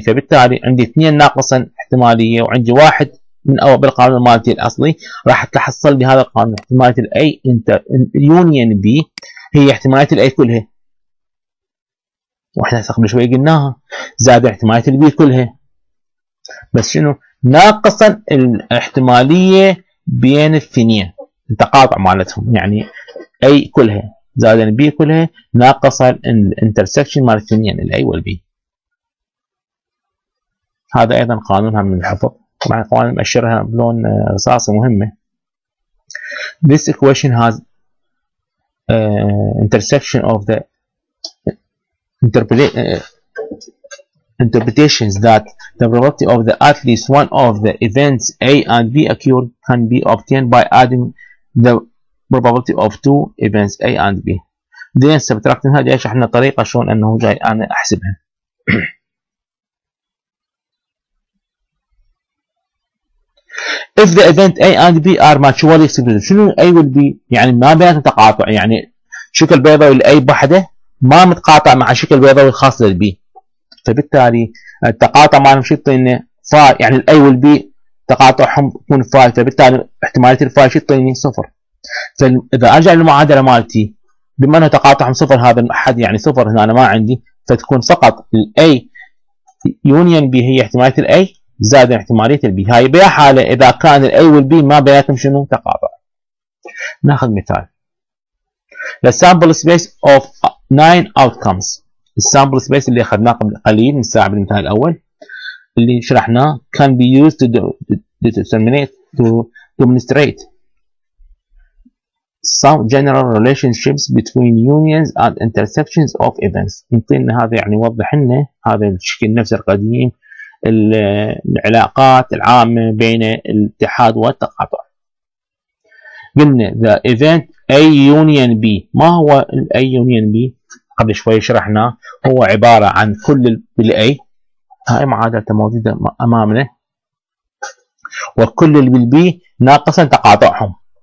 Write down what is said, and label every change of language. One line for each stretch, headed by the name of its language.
Arabic: فبالتالي عندي اثنين ناقصا احتمالية وعندي واحد من اول بالقانون مالتي الاصلي، راح تحصل بهذا القانون احتمالية الاي انتر يونيون بي هي احتمالية الاي كلها، واحنا قبل شوي قلناها زائد احتمالية البي كلها، بس شنو؟ ناقصا الاحتمالية بين الاثنين التقاطع مالتهم، يعني اي كلها زائد بي كلها ناقص الانترسكشن مال الاثنين الاي والبي. هذا ايضا قانونها من الحفظ، مع قوانين مؤشرها بلون رصاصي مهمه.
English: This equation has intersection of the interpretations that the probability of the at least one of the events A and B occur can be obtained by adding the probability of two events A and B. Then subtracting
Arabic: هذه ايش احنا طريقه شلون انه جاي انا احسبها.
English: If the event A and B are mutually exclusive،
Arabic: شنو A وال B؟ يعني ما بينهم تقاطع، يعني شكل بيضاوي الA بحده ما متقاطع مع شكل بيضاوي خاص للB. فبالتالي التقاطع مالهم شو يعطيني؟ فاي، يعني الاي والبي تقاطعهم يكون فاي، فبالتالي احتماليه الفاي شو يعطيني؟ صفر. فاذا ارجع للمعادله مالتي بما انه تقاطعهم صفر هذا الحد يعني صفر هنا انا ما عندي، فتكون فقط الاي يونيون بي هي احتماليه الاي زائد احتماليه البي. هاي بيا حاله اذا كان الاي والبي ما بيناتهم شنو؟ تقاطع. ناخذ مثال.
English: The sample space of nine outcomes.
Arabic: السامبل سبيس اللي اخذناه قبل قليل من الساعه بالمثال الاول اللي شرحناه
English: can be used to determinate to demonstrate some general relationships between unions and intersections of events.
Arabic: يمكن هذا يعني يوضح لنا هذا الشكل نفسه القديم العلاقات العامه بين الاتحاد والتقاطع. قلنا
English: The event A union B.
Arabic: ما هو الاي يونيون بي؟ قبل شوي شرحناه، هو عباره عن كل بالاي، هاي معادله موجوده امامنا، وكل بالبي ناقصا تقاطعهم.